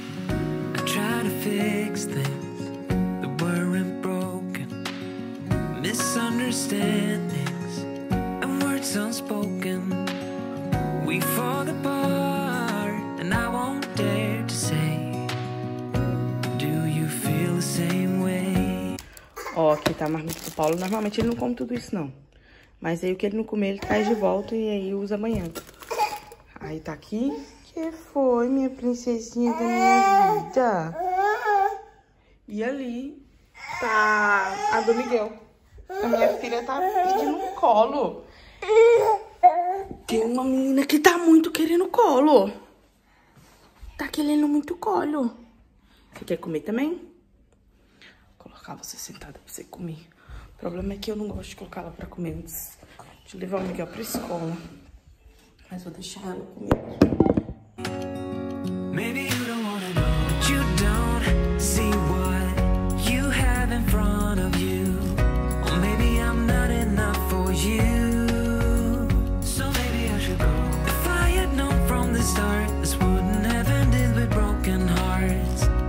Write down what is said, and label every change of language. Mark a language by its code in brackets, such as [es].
[en] I try to fix things that weren't broken, misunderstandings and words unspoken. We fall apart and I won't dare to say, do you feel the same way? [pt] Ó, aqui tá a marmita do Paulo. Normalmente ele não come tudo isso, não. Mas aí o que ele não comer, ele traz de volta e aí usa amanhã. Aí tá aqui. O que foi, minha princesinha da minha vida? E ali tá a do Miguel. A minha filha tá pedindo colo. Tem uma menina que tá muito querendo colo. Tá querendo muito colo. Você quer comer também? Colocar você sentada pra você comer. O problema é que eu não gosto de colocar ela pra comer antes de levar o Miguel pra escola. Mas vou deixar ela comer. [en] Maybe you don't wanna know, but you don't see what you have in front of you. Or maybe I'm not enough for you. So maybe I should go. If I had known from the start, this wouldn't have ended with broken hearts.